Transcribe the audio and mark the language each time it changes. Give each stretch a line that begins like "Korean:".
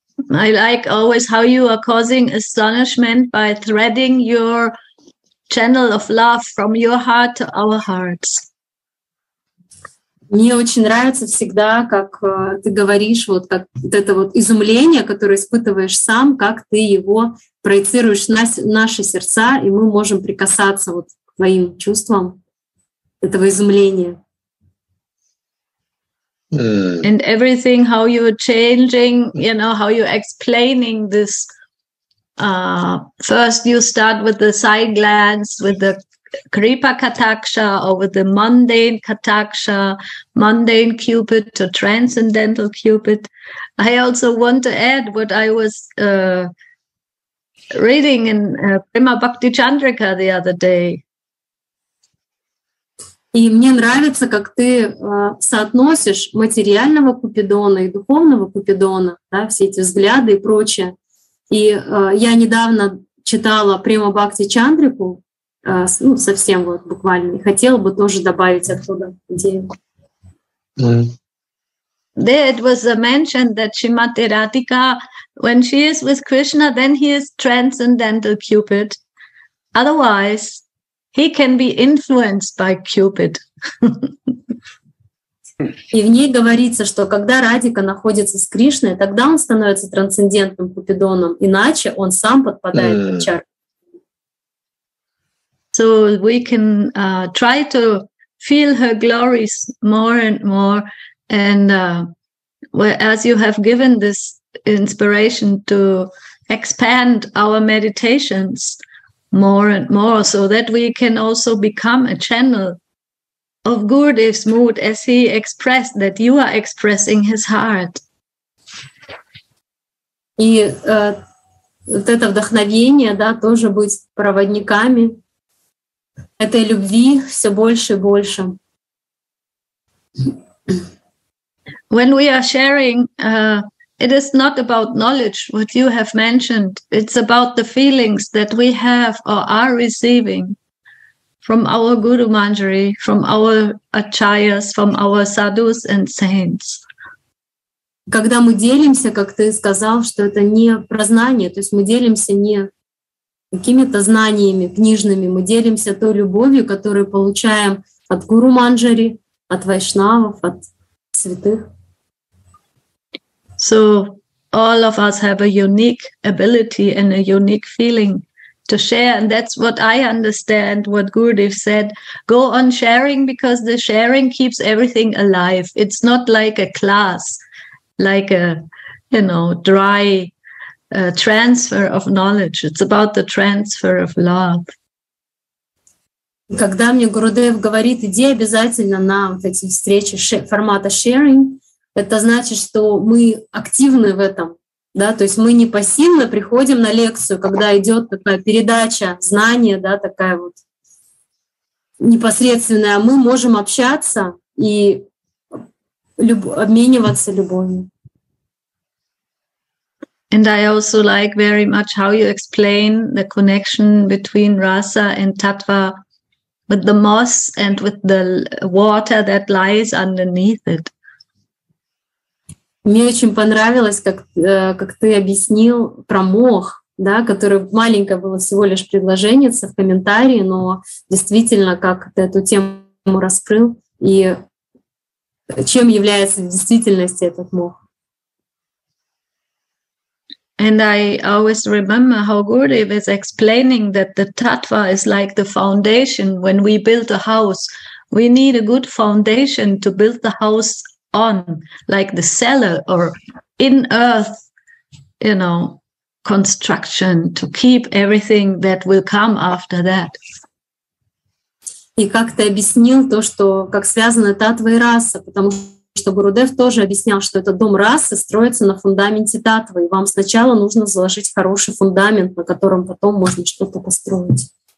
English: I like always how you are causing astonishment by threading your channel of love from your heart to our hearts.
Russian: Мне очень нравится всегда, как ты говоришь, вот как вот это вот изумление, которое испытываешь сам, как ты его проецируешь на наши сердца, и мы можем прикасаться вот к твоим чувствам этого изумления.
English: And everything, how you are changing, you know, how you're explaining this. First, you start with the side glance, with the Kripa Kataksha, or with the mundane Kataksha, mundane Cupid to transcendental Cupid. I also want to add what I was reading in Prema Bhakti Chandrika the other day.
Russian: И мне нравится, как ты соотносишь материального Купидона и духовного Купидона, да, все эти взгляды и прочее. И я недавно читала Према Бхакти Чандрику, ну, совсем вот буквально, и хотела бы тоже добавить оттуда идею.
English: There it was mentioned that Shrimati Radhika, when she is with Krishna, then he is transcendental Cupid. Otherwise, he can be influenced by Cupid.
Russian: И в ней говорится, что когда Радика находится с Кришной, тогда он становится трансцендентным Купидоном, иначе он сам подпадает под чар.
English: So we can try to feel her glories more and more, and as you have given this inspiration to expand our meditations more and more, so that we can also become a channel of Gurudev's mood, as he expressed that you are expressing his heart.
Russian: И вот это вдохновение, да, тоже быть проводниками этой любви все больше и больше.
English: When we are sharing, it is not about knowledge, what you have mentioned. It's about the feelings that we have or are receiving from our Guru Manjari, from our Acharyas, from our sadhus and saints.
Russian: Когда мы делимся, как ты сказал, что это не про знание, то есть мы делимся не какими-то знаниями книжными, мы делимся той любовью, которую получаем от Guru Manjari, от вайшнавов, от святых.
English: So all of us have a unique ability and a unique feeling to share. And that's what I understand, what Gurudev said. Go on sharing, because the sharing keeps everything alive. It's not like a class, like a, you know, dry transfer of knowledge. It's about the transfer of love.
Russian: Когда мне Гурудев говорит, иди обязательно на вот эти встречи формата sharing, это значит, что мы активны в этом, да, то есть мы не пассивно приходим на лекцию, когда идет такая передача знания, да, такая вот непосредственная, а мы можем общаться и обмениваться любовью.
English: And I also like very much how you explain the connection between rasa and tattva with the moss and with the water that lies underneath it.
Russian: Мне очень понравилось, как ты объяснил про мох, да, которое маленькое было всего лишь предложение в комментарии, но действительно, как ты эту тему раскрыл и чем является в действительности этот мох.
English: And I always remember how Gurudev is explaining that the tattva is like the foundation when we build a house. We need a good foundation to build the house on, like the cellar or in earth, you know, construction to keep everything that will come after that.
Russian: И как ты объяснил то, что как связаны таттва и раса, потому что Гурудев тоже объяснял, что этот дом расы строится на фундаменте таттвы, и вам сначала нужно заложить хороший фундамент, на котором потом можно что-то построить.